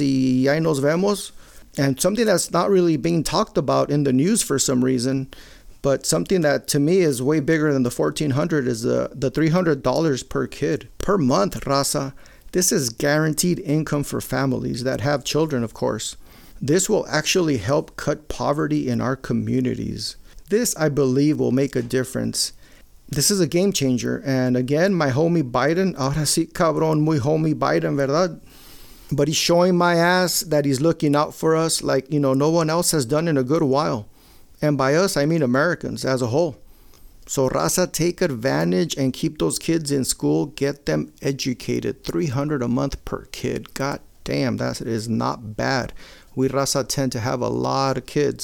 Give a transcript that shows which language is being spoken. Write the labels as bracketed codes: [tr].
[es] Y ahí nos vemos. [en] And something that's not really being talked about in the news for some reason, but something that to me is way bigger than the $1,400 is the $300 per kid per month, Raza. This is guaranteed income for families that have children, of course. This will actually help cut poverty in our communities. This, I believe, will make a difference. This is a game changer. And again, my homie Biden, [es] ahora sí, cabrón, muy homie Biden, ¿verdad? [en] But he's showing my ass that he's looking out for us like, you know, no one else has done in a good while. And by us, I mean Americans as a whole. So Raza, take advantage and keep those kids in school. Get them educated. $300 a month per kid. God damn, that is not bad. We Raza tend to have a lot of kids.